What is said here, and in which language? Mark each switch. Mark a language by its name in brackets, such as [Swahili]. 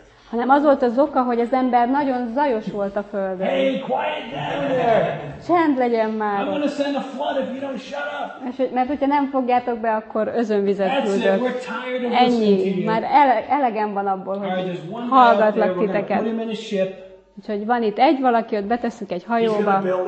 [Hungarian] Hanem az volt az oka, hogy az ember nagyon zajos volt a Földön. [English] Hey, quiet down there! [Hungarian] Csend legyen már! [English] I'm gonna send a flood if you don't shut up! [Hungarian] Mert hogyha nem fogjátok be, akkor özönvizet küldök. [English] That's it, we're tired of listening. [Hungarian] Ennyi. Már elegem van abból, hogy hallgatlak titeket. Úgyhogy van itt egy valaki, ott beteszünk egy hajóba.